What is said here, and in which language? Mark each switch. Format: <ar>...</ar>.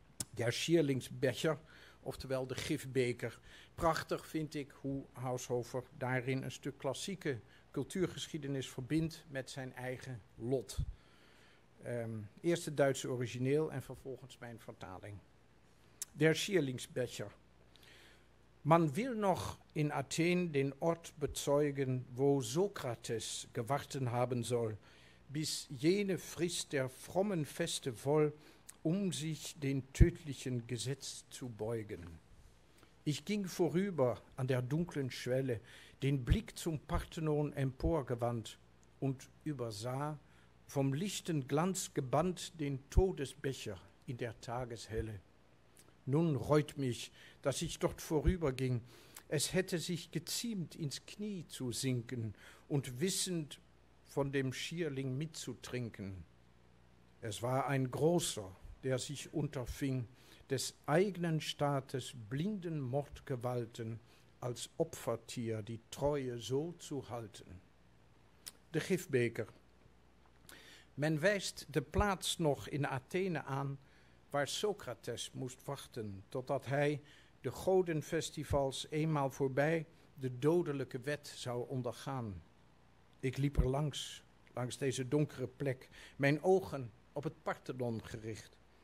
<de>Der Schierlingsbecher,</de> <nl>oftewel de gifbeker. Prachtig vind ik hoe Haushofer daarin een stuk klassieke cultuurgeschiedenis verbindt met zijn eigen lot. Eerst het Duitse origineel en vervolgens mijn vertaling.</nl> <de>Der Schierlingsbecher. Man will noch in Athen den Ort bezeugen, wo Sokrates gewarten haben soll, bis jene Frist der frommen Feste voll, um sich den tödlichen Gesetz zu beugen. Ich ging vorüber an der dunklen Schwelle, den Blick zum Parthenon emporgewandt und übersah, vom lichten Glanz gebannt, den Todesbecher in der Tageshelle. Nun reut mich, dass ich dort vorüberging. Es hätte sich geziemt, ins Knie zu sinken und wissend von dem Schierling mitzutrinken. Es war ein Großer, der sich unterfing, des eigenen Staates blinden Mordgewalten als Opfertier die Treue so zu halten.</de> <nl>De Gifbeker. Men wijst de plaats nog in Athene aan, waar Socrates moest wachten totdat hij de godenfestivals eenmaal voorbij de dodelijke wet zou ondergaan. Ik liep er langs deze donkere plek, mijn ogen op het Parthenon gericht.</nl>